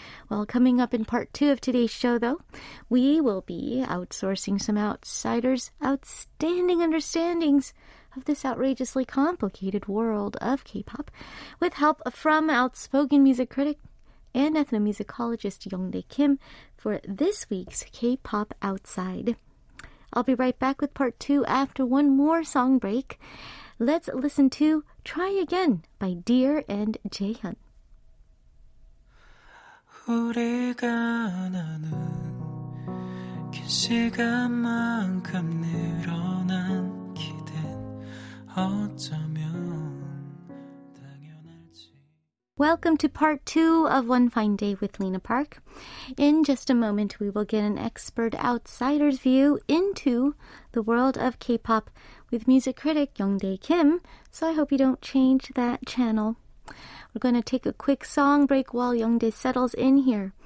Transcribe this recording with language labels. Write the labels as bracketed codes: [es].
[en] Well, coming up in part two of today's show, though, we will be outsourcing some outsiders' outstanding understandings of this outrageously complicated world of K-pop with help from outspoken music critic and ethnomusicologist Yongdae Kim for this week's K-pop Outside. I'll be right back with part two after one more song break. Let's listen to Try Again by Dear and Jaehyun. [ko] 우리가 나눈 긴 시간만큼 늘어난 기댄 어쩌면 당연할지. [en] Welcome to part two of One Fine Day with Lena Park. In just a moment, we will get an expert outsider's view into the world of K-pop with music critic Yongdae Kim, so I hope you don't change that channel. We're going to take a quick song break while Yongdae settles in here.